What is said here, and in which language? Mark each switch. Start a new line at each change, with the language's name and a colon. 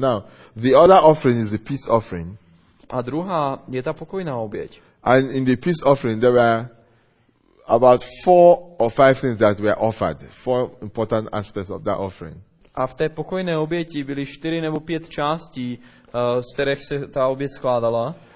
English: Now, the other offering is the peace offering.
Czech: A druhá je ta pokojná oběť.
English: And in the peace offering there were about four or five things that were offered. Four important aspects of that offering.
Czech: A v té pokojné oběti byly 4 nebo 5 částí, z kterých se ta oběť skládala.